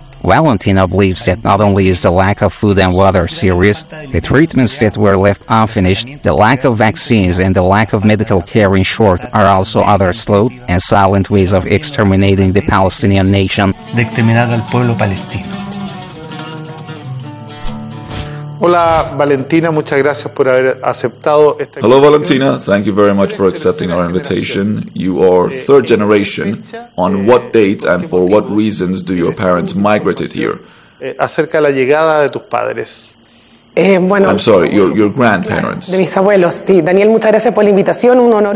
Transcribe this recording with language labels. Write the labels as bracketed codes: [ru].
[en] Valentina believes that not only is the lack of food and water serious, the treatments that were left unfinished, the lack of vaccines and the lack of medical care in short are also other slow and silent ways of exterminating the Palestinian nation. [es] De exterminar al pueblo palestino. Hola Valentina, muchas gracias por haber aceptado esta. [en] Hello Valentina, thank you very much for accepting our invitation. You are third generation. On what date and for what reasons do your parents migrated here? [es] Acerca de la llegada de tus padres. [en] I'm sorry, your grandparents. [es] De mis abuelos, sí. Daniel, muchas gracias por la invitación. Un honor.